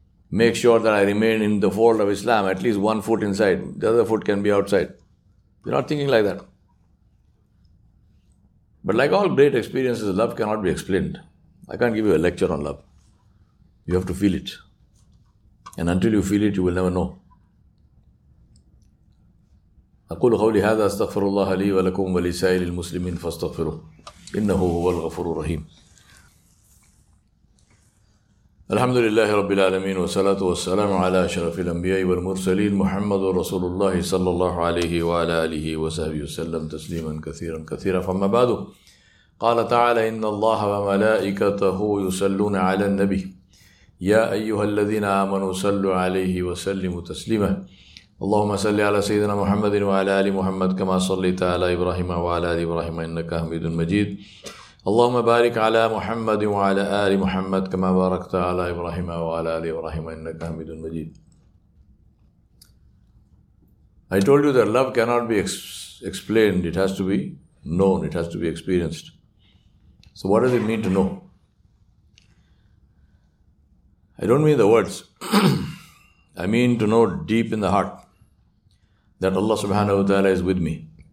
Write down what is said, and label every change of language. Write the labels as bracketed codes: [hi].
[en] Make sure that I remain in the fold of Islam, at least one foot inside, the other foot can be outside. They are not thinking like that. But like all great experiences, love cannot be explained. I can't give you a lecture on love. You have to feel it. And until you feel it, you will never know. [ar] أقول قولي هذا استغفر الله لي ولكم ولسائر المسلمين فاستغفروه إنه هو الغفور الرحيم. الحمد لله رب العالمين والصلاة والسلام على أشرف الأنبياء والمرسلين محمد رسول الله صلى الله عليه وعلى آله وصحبه وسلم تسليما كثيرا كثيرا. فما بعد، قال تعالى إن الله وملائكته يصلون على النبي يا أيها الذين آمنوا صلوا عليه وسلموا تسليما. اللهم صل على سيدنا محمد وعلى آل محمد كما صليت على إبراهيم وعلى آل إبراهيم إنك حميد مجيد. اللهم بارك على محمد وعلى آل محمد كما باركت على إبراهيم وعلى آل إبراهيم إنك حميد مجيد. [en] I told you that love cannot be explained. It has to be known. It has to be experienced. So what does it mean to know? I don't mean the words. I mean to know deep in the heart that Allah subhanahu wa ta'ala is with me.